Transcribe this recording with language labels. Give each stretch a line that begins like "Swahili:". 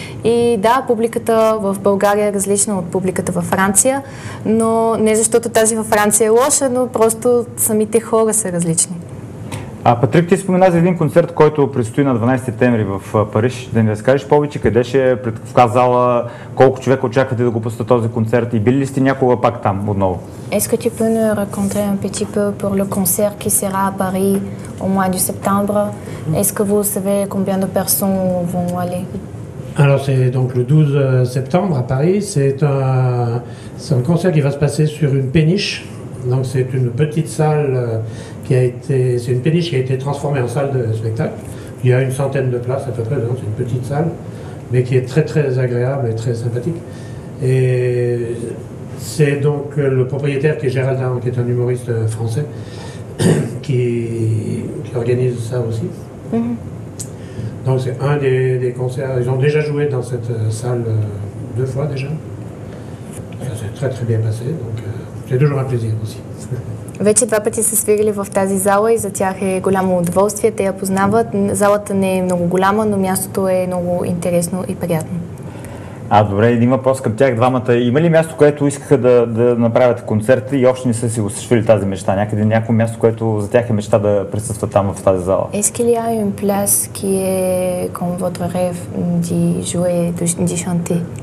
Bulgarian: И да, публиката в България е различна от публиката във Франция, но не защото тази във Франция е лоша, но просто самите хора са различни. Патрик, ти спомена за един концерт, който предстои на 12 септември в Париж. Да ни разкажеш повече, къде ще е, в каква зала, колко човека очаквате да го посетят този концерт и били ли сте някога пак там отново?
French: Est-ce que tu peux nous raconter un petit peu pour le concert qui sera à Paris au mois de septembre? Est-ce que vous savez combien de personnes vont aller? Alors c'est donc le 12 septembre à Paris, c'est un concert qui va se passer sur une péniche. Donc c'est une petite salle c'est une péniche qui a été transformée en salle de spectacle. Il y a une centaine de places à peu près, c'est une petite salle, mais qui est très très agréable et très sympathique. Et c'est donc le propriétaire qui est Géraldin, qui est un humoriste français, qui organise ça aussi. Mm-hmm. Donc c'est un des concerts, ils ont déjà joué dans cette salle deux fois déjà. Ça s'est très très bien passé, donc c'est toujours un plaisir aussi.
Bulgarian: Вече два пъти са свирили в тази зала и за тях е голямо удоволствие, те я познават. Залата не е много голяма, но мястото е много интересно и приятно. Добре, има въпрос към тях двамата. Има ли място, което искаха да направят концерт и още не са си осъществили тази мечта? Някъде някое място, което за тях е мечта да присъстват там в тази зала?
French: Est-ce qu'il y a une place qui est comme votre rêve de jouer, de chanter?